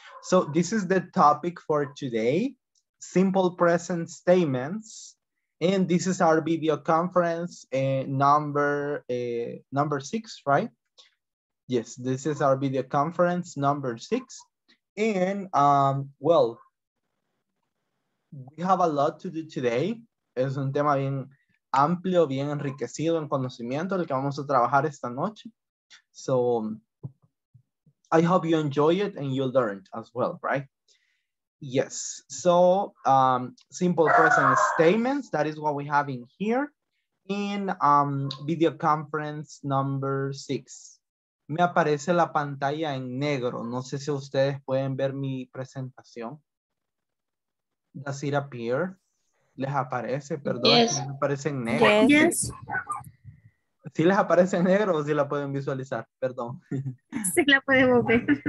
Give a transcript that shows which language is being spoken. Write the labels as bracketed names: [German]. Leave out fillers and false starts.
[English] So this is the topic for today, simple present statements. And this is our video conference number 6, right? Yes, this is our video conference number 6. And well, we have a lot to do today. [Spanish] Es un tema bien amplio, bien enriquecido en conocimiento el que vamos a trabajar esta noche. [English] So I hope you enjoy it and you learned as well, right? Yes, so simple present statements, that is what we have in here in video conference number 6. [Spanish] Me aparece la pantalla en negro. No sé si ustedes pueden ver mi presentación. [English] Does it appear? [Spanish] Les aparece, perdón, [English] yes. [Spanish] Me aparece en negro. [English] Yes. [Spanish] Si les aparece en negro o si la pueden visualizar, perdón. Si la podemos ver.